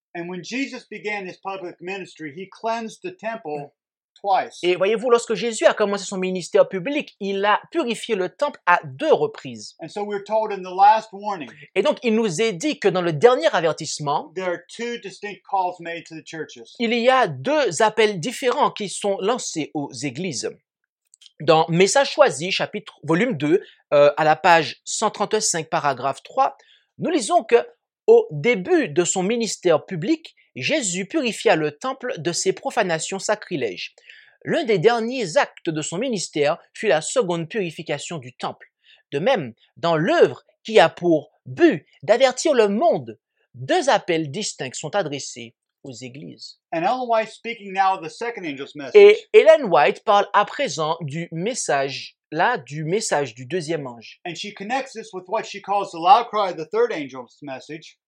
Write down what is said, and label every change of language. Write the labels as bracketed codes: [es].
[en] And when Jesus began his public ministry, he cleansed the temple twice. [fr] Et voyez-vous, lorsque Jésus a commencé son ministère public, il a purifié le temple à deux reprises. [en] And so we're told in the last warning, [fr] et donc, il nous est dit que dans le dernier avertissement, [en] there are two distinct calls made to the churches. [fr] Il y a deux appels différents qui sont lancés aux églises. Dans Message choisi, chapitre, volume 2, à la page 135, paragraphe 3, nous lisons que, au début de son ministère public, Jésus purifia le temple de ses profanations sacrilèges. L'un des derniers actes de son ministère fut la seconde purification du temple. De même, dans l'œuvre qui a pour but d'avertir le monde, deux appels distincts sont adressés aux églises. [en] And Ellen White speaking now of the second angel's message. [fr] Et Ellen White parle à présent du message là, du message du deuxième ange. [en] And she connects this with what she calls the loud cry of the third angel's message.